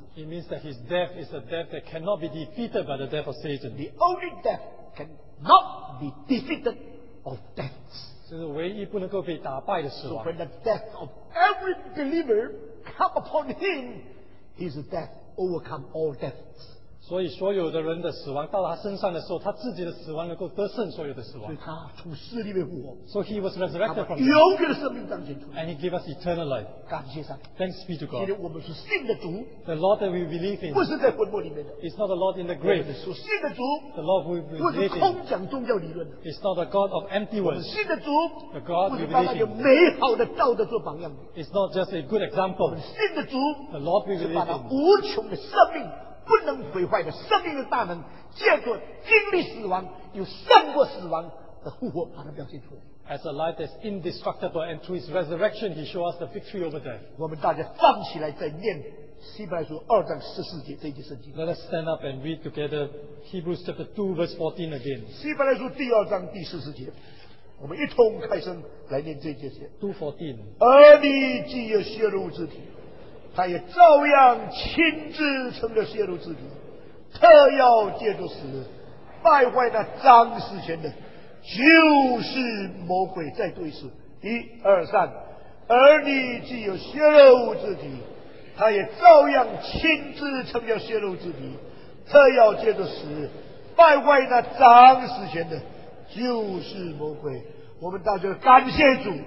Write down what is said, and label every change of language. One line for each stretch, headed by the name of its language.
English: It means that his death is a death that cannot be defeated by the death of Satan. The only death cannot be defeated of death.
Chinese: 这是唯一不能够被打败的死亡。
English: So when the death of every believer come upon him, his death overcome all deaths.
Chinese: 所以所有的人的死亡到了他身上的时候，他自己的死亡能够得胜所有的死亡。所以他从死里面复活。
English: So he was resurrected from death.
Chinese: 他把永远的生命彰显出来。
English: And he gave us eternal life.
Chinese: 感谢上,
English: Thanks be to God.
Chinese: 今天我们是信的主,
English: the Lord that we believe in
Chinese: 不是在坟墓里面的,
English: is not the Lord in the grave.
Chinese: 我们是信的主,
English: the Lord who we believe in is not the God of empty words.
Chinese: 我们信的主,
English: the God we believe in is not just a good example.
Chinese: 我们信的主,
English: the Lord we believe in
Chinese: 无穷的生命, 不能毁坏的生命的大能, 借着经历死亡, 又胜过死亡, 的复活, 把它表现出来。
English: As a life that's indestructible, and through his resurrection, he showed us the victory over death.
Chinese: 我们大家放起来再念, 希伯来书2章14节这一节圣经。
English: Let us stand up and read together Hebrews chapter 2, verse 14 again.
Chinese: 希伯来书第2章第14节, 我们一同开声, 来念这一节先。
English: 2:14.
Chinese: 而你既有血肉之体, 他也照样亲自成了血肉之体，特要借着死败坏那掌死权的，就是魔鬼在对死。第二三，而你既有血肉之体，他也照样亲自成了血肉之体，特要借着死败坏那掌死权的，就是魔鬼。我们大家感谢主，